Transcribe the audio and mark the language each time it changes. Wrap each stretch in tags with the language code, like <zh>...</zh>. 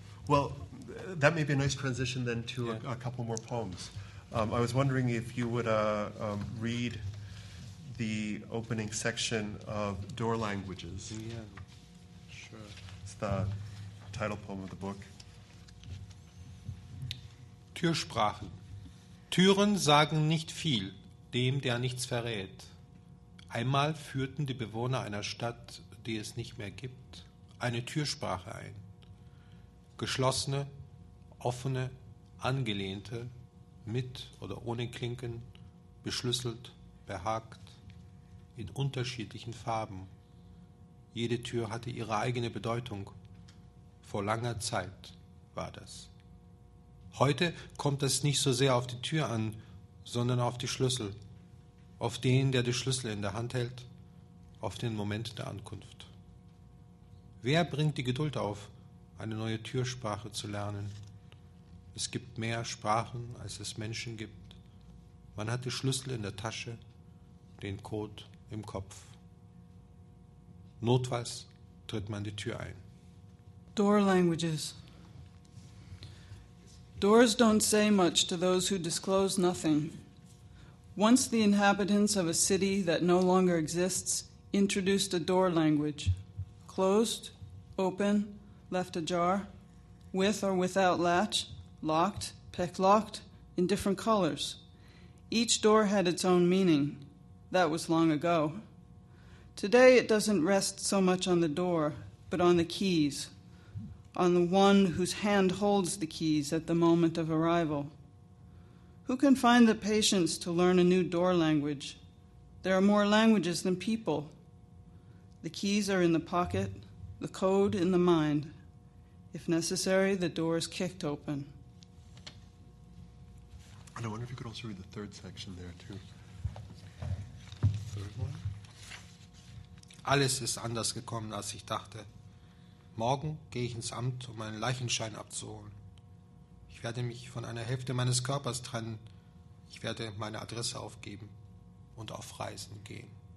<en>Well, that may be a nice transition then to a couple more poems. I was wondering if you would read the opening section of Door Languages. Yeah, sure. It's the title poem of the book.</en> <de>Türsprachen. Türen sagen nicht viel, dem, der nichts verrät. Einmal führten die Bewohner einer Stadt, die es nicht mehr gibt, eine Türsprache ein. Geschlossene, offene, angelehnte, mit oder ohne Klinken, beschlüsselt, behakt, in unterschiedlichen Farben. Jede Tür hatte ihre eigene Bedeutung. Vor langer Zeit war das. Heute kommt es nicht so sehr auf die Tür an, sondern auf die Schlüssel, auf den, der die Schlüssel in der Hand hält, auf den Moment der Ankunft. Wer bringt die Geduld auf? Eine neue Türsprache zu lernen. Es gibt mehr Sprachen, als es Menschen gibt. Man hat die Schlüssel in der Tasche, den Code im Kopf. Notfalls tritt man die Tür ein.</de> <en>Door languages. Doors don't say much to those who disclose nothing. Once the inhabitants of a city that no longer exists introduced a door language. Closed, open, left ajar, with or without latch, locked, picklocked, in different colors. Each door had its own meaning. That was long ago. Today it doesn't rest so much on the door, but on the keys, on the one whose hand holds the keys at the moment of arrival. Who can find the patience to learn a new door language? There are more languages than people. The keys are in the pocket, the code in the mind. If necessary, the door is kicked open. And I wonder if you could also read the third section there, too. Third one.</en> <de>Alles ist anders gekommen, als ich dachte. Morgen gehe ich ins Amt, um meinen Leichenschein abzuholen. Ich werde mich von einer Hälfte meines Körpers trennen. Ich werde meine Adresse aufgeben und auf Reisen gehen.</de>